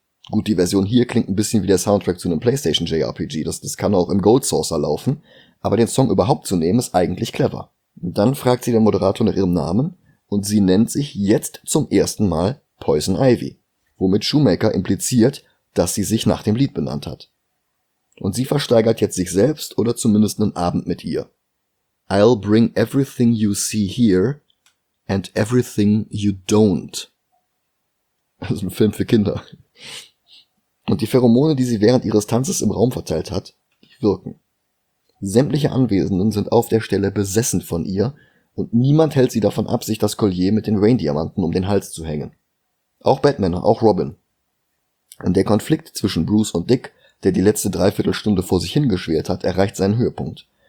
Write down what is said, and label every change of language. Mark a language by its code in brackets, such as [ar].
[de] Gut, die Version hier klingt ein bisschen wie der Soundtrack zu einem PlayStation JRPG, das kann auch im Gold Saucer laufen, aber den Song überhaupt zu nehmen, ist eigentlich clever. Dann fragt sie den Moderator nach ihrem Namen und sie nennt sich jetzt zum ersten Mal Poison Ivy, womit Shoemaker impliziert, dass sie sich nach dem Lied benannt hat. Und sie versteigert jetzt sich selbst oder zumindest einen Abend mit ihr. [en] I'll bring everything you see here and everything you don't. [de] Das ist ein Film für Kinder. Und die Pheromone, die sie während ihres Tanzes im Raum verteilt hat, die wirken. Sämtliche Anwesenden sind auf der Stelle besessen von ihr und niemand hält sie davon ab, sich das Collier mit den Rain-Diamanten um den Hals zu hängen. Auch Batman, auch Robin. Und der Konflikt zwischen Bruce und Dick, der die letzte Dreiviertelstunde vor sich hingeschwert hat, erreicht seinen Höhepunkt.